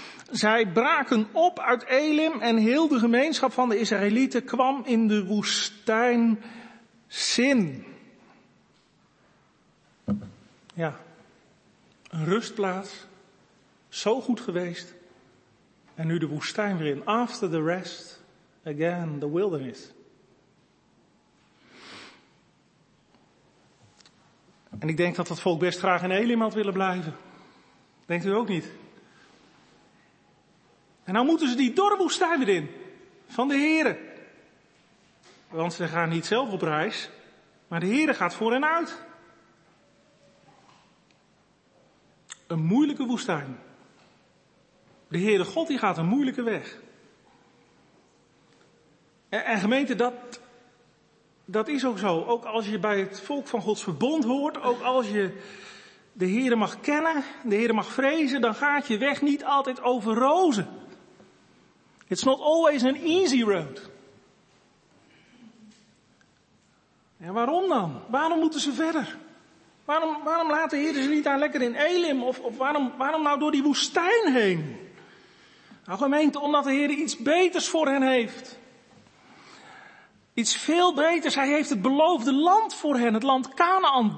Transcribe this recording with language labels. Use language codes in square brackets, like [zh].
[nl] Zij braken op uit Elim en heel de gemeenschap van de Israëlieten kwam in de woestijn Sin. Ja, een rustplaats, zo goed geweest. En nu de woestijn weer in. [en] After the rest, again the wilderness. [nl] En ik denk dat het volk best graag in Elim had willen blijven. Denkt u ook niet? En nou moeten ze die dorre woestijn weer in. Van de Heere. Want ze gaan niet zelf op reis. Maar de Heere gaat voor hen uit. Een moeilijke woestijn. De Heere God die gaat een moeilijke weg. En gemeente, dat is ook zo. Ook als je bij het volk van Gods verbond hoort. Ook als je de Heere mag kennen. De Heere mag vrezen. Dan gaat je weg niet altijd over rozen. [en] It's not always an easy road. [nl] En waarom dan? Waarom moeten ze verder? Waarom laat de Heer ze niet daar lekker in Elim? Of waarom nou door die woestijn heen? Nou, gemeente, omdat de Heer iets beters voor hen heeft. Iets veel beters. Hij heeft het beloofde land voor hen. Het land Kanaan.